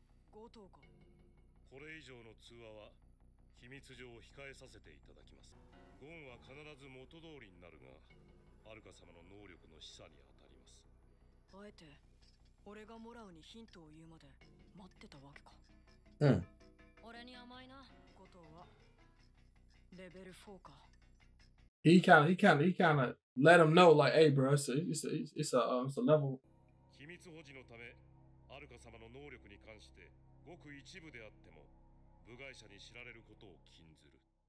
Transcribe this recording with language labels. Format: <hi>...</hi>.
<ja>強盗か。これ以上の通話は機密上控えさせていただきます。ゴンは必ず元通りになるが、アルカ様の能力の示唆に当たります。あえて、俺がもらうにヒントを言うまで待ってたわけか。</ja> <en>He kind of let him know like, hey, bro, it's a level.</en> <ja>秘密保持のため、アルカ様の能力に関してごく一部であっても部外者に知られることを禁ずる。</ja>